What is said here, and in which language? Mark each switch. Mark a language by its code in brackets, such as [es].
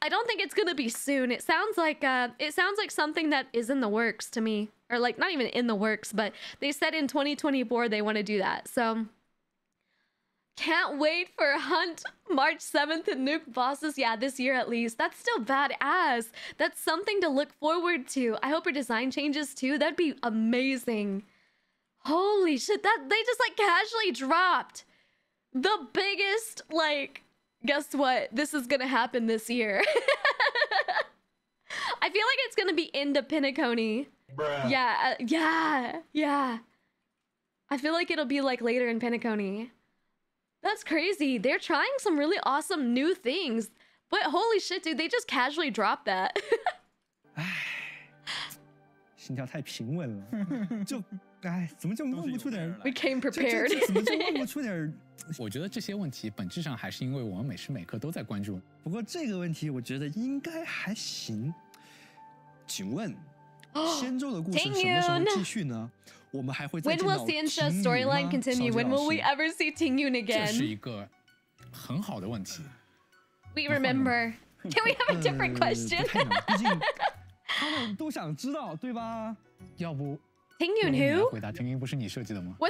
[en] she created in [zh] 心跳太平稳了，就哎，怎么就问不出点 [en] ？We came prepared。 [zh] 怎么就问不出点？我觉得这些问题本质上还是因为我们每时每刻都在关注。不过这个问题我觉得应该还行。请问，仙咒的故事什么时候继续呢？我们还会再见到 [en] ？When will Sienta's storyline continue? When will we ever see Ting Yun again? [zh] 这是一个很好的问题。 [en] We remember. Can we have a different question? [zh] 他们都想知道，对吧？要不 [en] ，Ting Yun who？ [zh] 回答 ，Ting Yun 不是你设计的吗